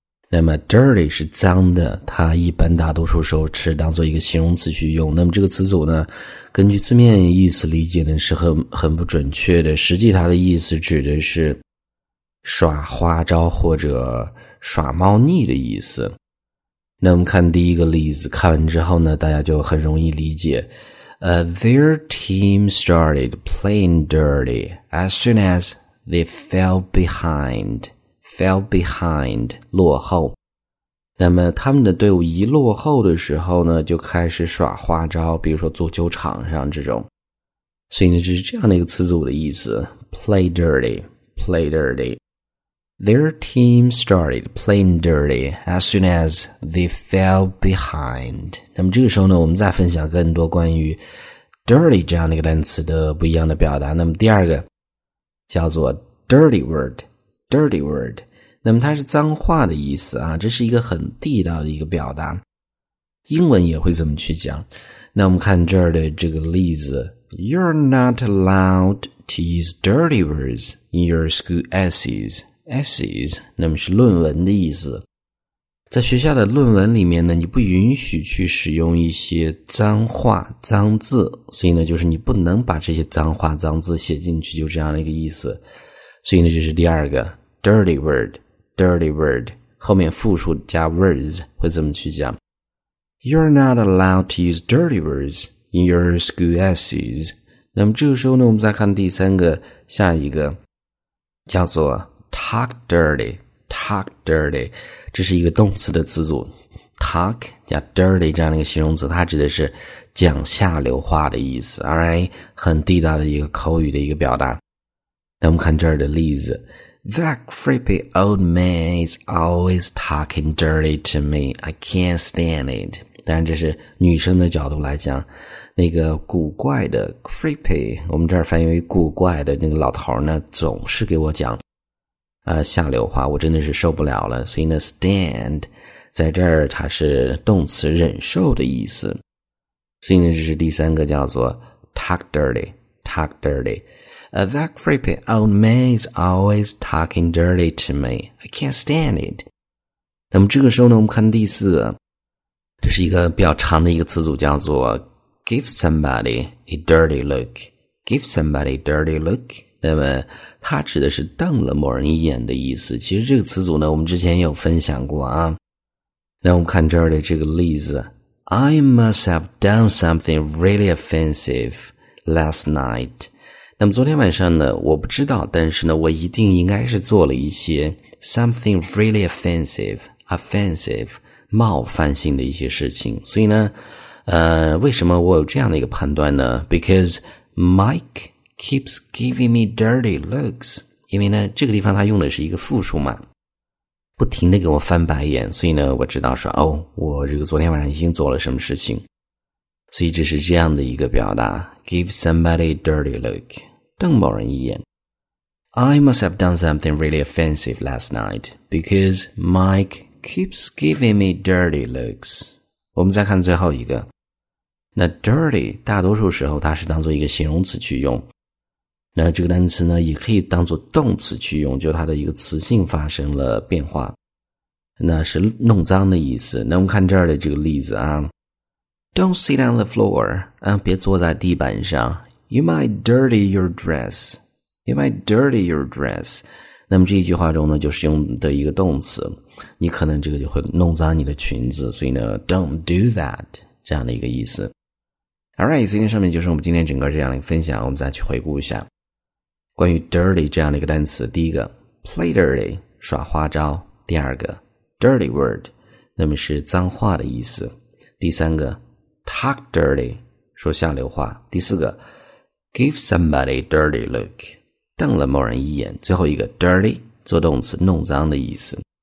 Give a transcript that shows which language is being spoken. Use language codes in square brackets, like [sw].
[zh] 那么 dirty 是脏的，它一般大多数时候是当做一个形容词去用。那么这个词组呢，根据字面意思理解呢，是很不准确的。实际它的意思指的是耍花招或者耍猫腻的意思。那我们看第一个例子，看完之后呢，大家就很容易理解。 [en] Their team started playing dirty as soon as they fell behind. Fell behind, [zh] 落后。那么他们的队伍一落后的时候呢，就开始耍花招，比如说足球场上这种。所以呢，这是这样的一个词组的意思 , [en] play dirty, play dirty。 Their team started playing dirty as soon as they fell behind. [zh] 那么这个时候呢，我们再分享更多关于 dirty 这样的一个单词的不一样的表达。那么第二个叫做 [en] dirty word, dirty word。 [zh] 那么它是脏话的意思啊，这是一个很地道的一个表达。英文也会怎么去讲？那我们看这儿的这个例子 [en] ,You're not allowed to use dirty words in your school essays. [zh] Essays, 那么是论文的意思。在学校的论文里面呢，你不允许去使用一些脏话、脏字，所以呢，就是你不能把这些脏话、脏字写进去，就这样的一个意思。所以呢，这是第二个 , [en] dirty word, dirty word, [zh] 后面复数加 words, 会怎么去讲 ? [en] You're not allowed to use dirty words in your school essays. [zh] 那么这个时候呢，我们再看第三个，下一个叫做 [en] Talk dirty, talk dirty, [zh] 这是一个动词的词组。 Talk 加 dirty 这样的一个形容词，它指的是讲下流话的意思。 [en] Alright, [zh] 很地道的一个口语的一个表达。那我们看这儿的例子。 [en] That creepy old man is always talking dirty to me. I can't stand it. [zh] 当然这是女生的角度来讲。那个古怪的 creepy, 我们这儿翻译为古怪的那个老头呢，总是给我讲下流话，我真的是受不了了。所以呢 ,stand, 在这儿它是动词忍受的意思。所以呢，这是第三个叫做 [en] talk dirty, talk dirty. That creepy old man is always talking dirty to me. I can't stand it. [zh] 那么这个时候呢，我们看第四个，这是一个比较长的一个词组，叫做 [en] give somebody a dirty look. Give somebody a dirty look. [zh] 那么它指的是瞪了某人一眼的意思。其实这个词组呢，我们之前有分享过啊。那我们看这儿的这个例子。 [en] I must have done something really offensive last night. [zh] 那么昨天晚上呢，我不知道，但是呢，我一定应该是做了一些 [en] something really offensive, [zh] 冒犯性的一些事情。所以呢，为什么我有这样的一个判断呢？ [en] Because Mike... keeps giving me dirty looks. [zh] 因为呢，这个地方他用的是一个复数嘛，不停地给我翻白眼，所以呢，我知道说，哦，我这个昨天晚上已经做了什么事情。所以这是这样的一个表达 , [en] give somebody a dirty look, [zh] 瞪某人一眼。 [en] I must have done something really offensive last night, because Mike keeps giving me dirty looks. [zh] 我们再看最后一个。那 dirty, 大多数时候它是当做一个形容词去用。那这个单词呢，也可以当作动词去用，就它的一个词性发生了变化。那是弄脏的意思。那我们看这儿的这个例子啊 ， [en] Don't sit on the floor [zh] 啊，别坐在地板上。 [en] You might dirty your dress. You might dirty your dress. [zh] 那么这一句话中呢，就是用的一个动词，你可能这个就会弄脏你的裙子。所以呢 ， [en] Don't do that [zh] 这样的一个意思。 [en] Alright, [zh] 今天上面就是我们今天整个这样的一个分享，我们再去回顾一下。关于 dirty 这样的一个单词，第一个 [en] play dirty [zh] 耍花招，第二个 [en] dirty word [zh] 那么是脏话的意思，第三个 [en] talk dirty [zh] 说下流话，第四个 [en] give somebody a dirty look [zh] 瞪了某人一眼，最后一个 dirty 做动词弄脏的意思。